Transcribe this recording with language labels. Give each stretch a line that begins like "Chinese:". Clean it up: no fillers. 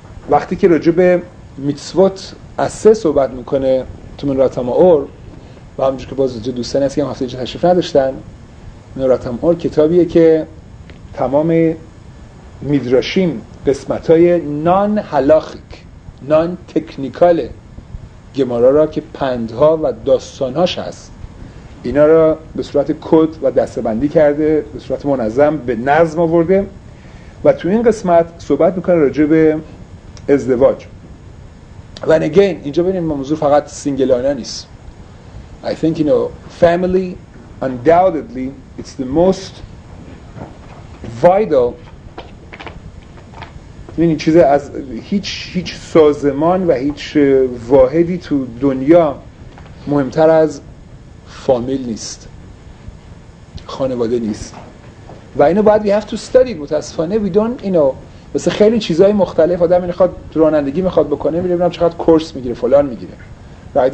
Persian: وقتی که راجع به میتسوات اسه صحبت میکنه تو منورات ماور و همجور که باز جا دوستانی هست که هم هفته جا تشریف نداشتن، منورات ماور کتابیه که تمام میدراشیم قسمتهای نان هلاخیک نان تکنیکاله گمارا را که پندها و داستانهاش هست، اینا را به صورت کد و دستبندی کرده، به صورت منظم به نظم آورده. و تو این قسمت صحبت میکنه راجع به ازدواج. و again اینجا ببینیم موضوع فقط سینگلانه نیست.
English: I think you know family undoubtedly it's the most vital.
Persian: این چیز از هیچ سازمان و هیچ واحدی تو دنیا مهمتر از فامیل نیست، خانواده نیست. و اینو باید
English: we have to study.
Persian: متاسفانه
English: we don't you know
Persian: مثل خیلی چیزهای مختلف آدم میخواد رانندگی میخواد بکنه، میره ببینم چقدر کورس میگیره، فلان میگیره، right.